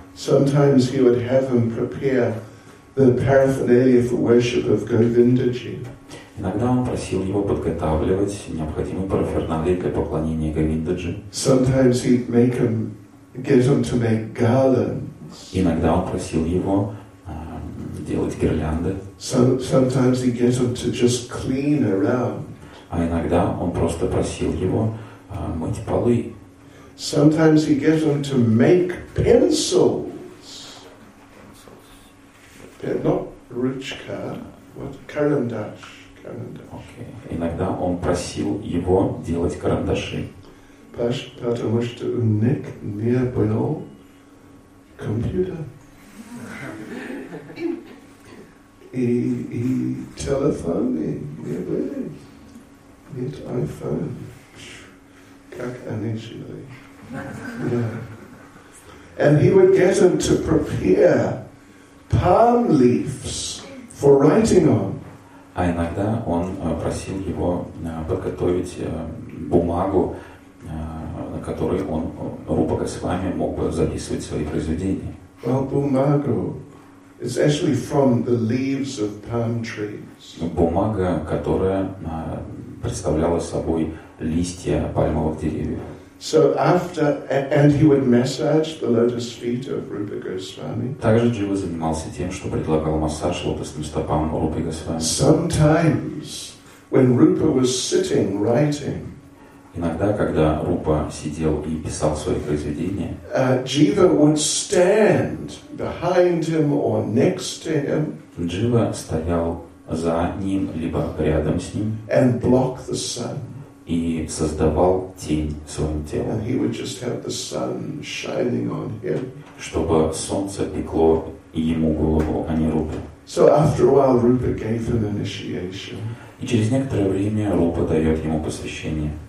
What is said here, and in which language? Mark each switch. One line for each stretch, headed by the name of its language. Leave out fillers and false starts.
English: Sometimes he would have him prepare the paraphernalia for worship of Govindaji.
Russian: Иногда он просил его подготавливать необходимые параферналии для поклонения Говиндаджи.
English: Sometimes he'd make him, get him to make garlands.
Russian: Иногда он просил его делать гирлянды.
English: Sometimes he gets him to just clean around.
Russian: А иногда он просто просил его мыть полы.
English: Sometimes he gets him to make pencils. Not ручка, what карандаш. Okay.
Russian: Иногда он просил его делать карандаши. Потому что у них не было компьютера. И телефоны не были. Нет iPhone. Как они жили.
English: And he would get him to prepare palm leaves for writing on.
Russian: А иногда он просил его подготовить бумагу, на которой он Рупа Госвами мог бы записывать свои произведения.
English: Well, бумагу is actually from the leaves of palm trees.
Russian: Бумага, которая представляла собой листья пальмовых деревьев.
English: So after, and he would massage the lotus feet of Rupa Goswami.
Russian: Также Джива занимался тем, что предлагал массаж лотосным стопам Рупы Госвами.
English: Sometimes, when Rupa was sitting writing,
Russian: иногда, когда Рупа сидел и писал свои произведения,
English: Джива would stand behind him or next to him.
Russian: Джива стоял за ним либо рядом с ним.
English: And block the sun.
Russian: И создавал тень своим телом.
English: And he would just have the sun shining on him.
Russian: Чтобы солнце пекло ему голову, а не Рупе.
English: So after a while, Rupa gave him initiation.
Russian: И через некоторое время Рупа дает ему посвящение.